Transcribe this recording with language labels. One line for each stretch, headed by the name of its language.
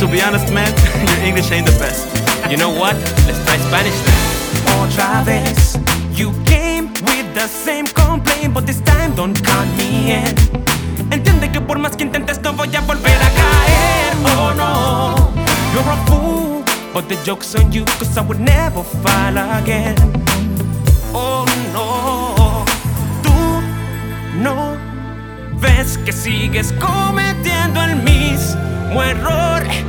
English: honest, man, your English ain't the best. You know what? Let's try Spanish then.
Spanish: Otra vez,
English: you came with the same complaint, but this time don't count me in.
Spanish: Entiende que por más que intentes no voy a volver a caer.
English: Oh no, you're a fool, but the joke's on you, cause I would never fall again.
Spanish: Oh no, tú no ves que sigues cometiendo el mismo error.